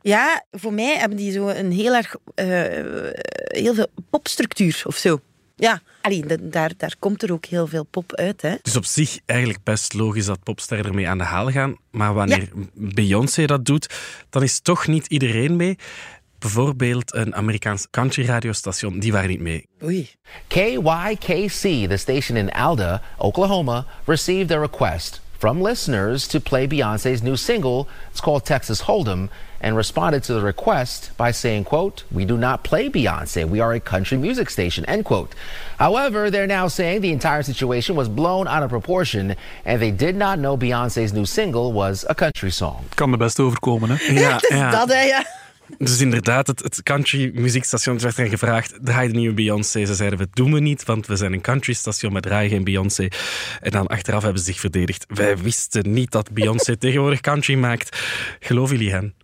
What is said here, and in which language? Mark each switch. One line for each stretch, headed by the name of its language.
Dutch: Ja, voor mij hebben die zo een heel erg heel veel popstructuur of zo. Ja, alleen daar komt er ook heel veel pop uit. Hè. Het is op zich eigenlijk best logisch dat popsterren ermee aan de haal gaan. Maar wanneer ja. Beyoncé dat doet, dan is toch niet iedereen mee. Bijvoorbeeld een Amerikaans country radiostation, die waren niet mee. Oei.
English: KYKC, the station in Alda, Oklahoma, received a request from listeners to play Beyoncé's new single, it's called Texas Hold'em, and responded to the request by saying, quote, we do not play Beyoncé, we are a country music station, end quote. However, they're now saying the entire situation was blown out of proportion and they did not know Beyoncé's new single was a country song.
Dutch: Kan me best overkomen, hè? Ja, ja. Dus inderdaad, het country muziekstation werd er gevraagd, draai de nieuwe Beyoncé. Ze zeiden, we doen we niet, want we zijn een country station, maar draai geen Beyoncé. En dan achteraf hebben ze zich verdedigd. Wij wisten niet dat Beyoncé tegenwoordig country maakt. Geloven jullie hen?